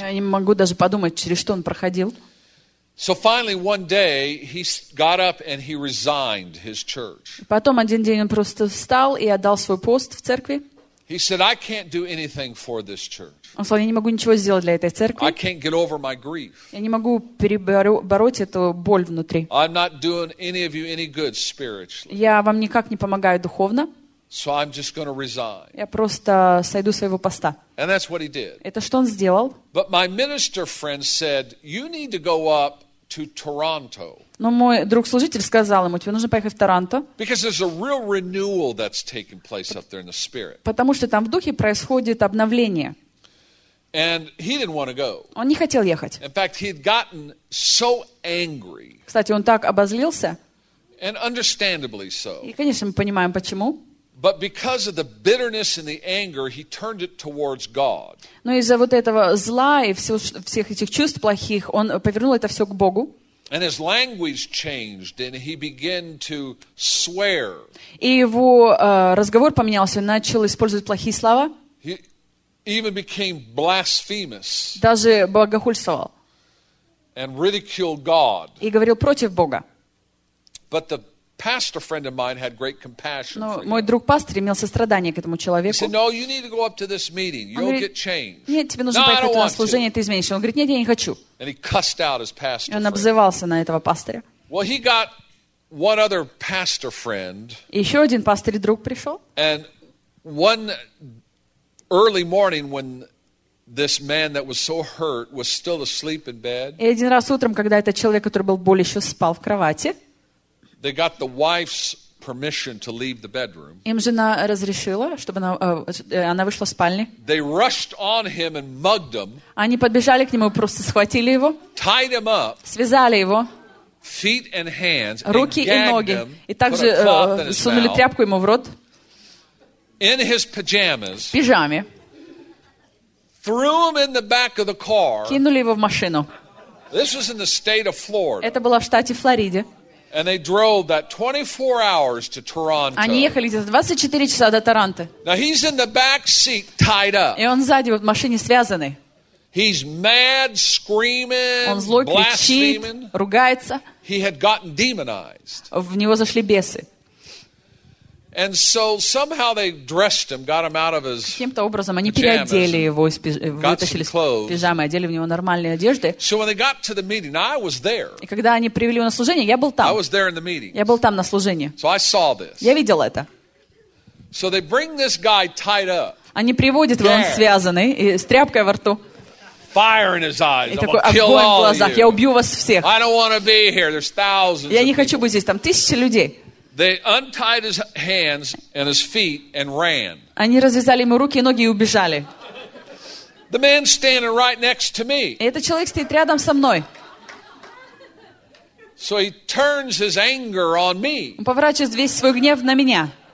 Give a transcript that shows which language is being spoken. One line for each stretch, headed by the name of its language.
Russian: Я не могу даже подумать, через что он проходил.
English: So finally one day he got up and he resigned his church.
Russian: Потом один день он просто встал и отдал свой пост в церкви.
English: He said, I can't do anything for this church.
Russian: Он сказал, я не могу ничего сделать для этой церкви.
English: I can't get over my grief.
Russian: Я не могу перебороть эту боль внутри.
English: I'm not doing any of you any good spiritually.
Russian: Я вам никак не помогаю духовно.
English: So I'm just going to resign.
Russian: Я просто сойду своего поста.
English: And that's what he did.
Russian: Это что он сделал?
English: But my minister friend said, you need to go up to Toronto.
Russian: Но мой друг-служитель сказал ему, тебе нужно поехать в Торонто.
English: Because there's a real renewal that's taking place up there in the spirit.
Russian: Потому что там в духе происходит обновление.
English: And he didn't want to go.
Russian: Он не хотел ехать.
English: In fact, he'd gotten so angry.
Russian: Кстати, он так обозлился.
English: And understandably so.
Russian: И, конечно, мы понимаем почему.
English: But because of the bitterness and the anger, he turned it towards God.
Russian: Но из-за вот этого зла и всех этих чувств плохих, он повернул это все к Богу.
English: And his language changed, and he began to swear.
Russian: И его разговор поменялся, начал использовать плохие слова.
English: He even became blasphemous.
Russian: Даже богохульствовал.
English: And ridiculed God.
Russian: И говорил против Бога.
English: But the pastor friend of mine had great compassion.
Russian: Но мой друг пастор имел сострадание к этому человеку.
English: He said, "No, you need to go up to this meeting. You'll get changed."
Russian: Нет, тебе нужно поехать на служение, ты изменишься. Он говорит, нет, я не хочу.
English: And he cussed out his pastor friend.
Russian: Он обзывался на этого пастора.
English: Well, he got one other pastor friend.
Russian: Еще один пастор друг пришел.
English: And one early morning when this man that was so hurt was still asleep in bed.
Russian: И один раз утром, когда этот человек, который был болен, еще спал в кровати.
English: They got the wife's permission to leave the bedroom.
Russian: Им жена разрешила, чтобы она вышла из спальни.
English: They rushed on him and mugged him.
Russian: Они подбежали к нему и просто схватили его.
English: Tied him up.
Russian: Связали его.
English: Feet and hands.
Russian: Руки и ноги. И также сунули тряпку ему в рот.
English: In his pajamas.
Russian: В пижаме.
English: Threw him in the back of the car.
Russian: Кинули его в машину.
English: This was in the state of Florida.
Russian: Это было в штате Флорида.
English: And they drove that 24 hours to Toronto.
Russian: Они ехали где-то 24 часа до Торонто.
English: Now he's in the back seat, tied up.
Russian: И он сзади вот в машине связанный.
English: He's mad, screaming,
Russian: он злой, кричит, ругается.
English: He had gotten demonized.
Russian: В него зашли бесы.
English: And so somehow they dressed him, got him out of his
Russian: каким-то образом они переодели его, вытащили из пижамы, одели в него нормальные одежды.
English: So when they got to the meeting, I was there.
Russian: И когда они привели его на служение, я был там.
English: I was there in the meeting.
Russian: Я был там на служении.
English: So I saw this.
Russian: Я видел это.
English: So they bring this guy tied up.
Russian: Они приводят его, он связанный, и с тряпкой во рту.
English: Fire in his eyes.
Russian: И такой огонь в глазах. Я убью вас всех.
English: I don't want to be here. There's thousands.
Russian: Я не хочу быть здесь. Там тысячи людей.
English: They untied his hands and his feet and ran.
Russian: Они развязали ему руки и ноги и убежали.
English: The man standing right next to me.
Russian: Этот человек стоит рядом со мной.
English: So he turns his anger on me.
Russian: Он поворачивает весь свой гнев на меня.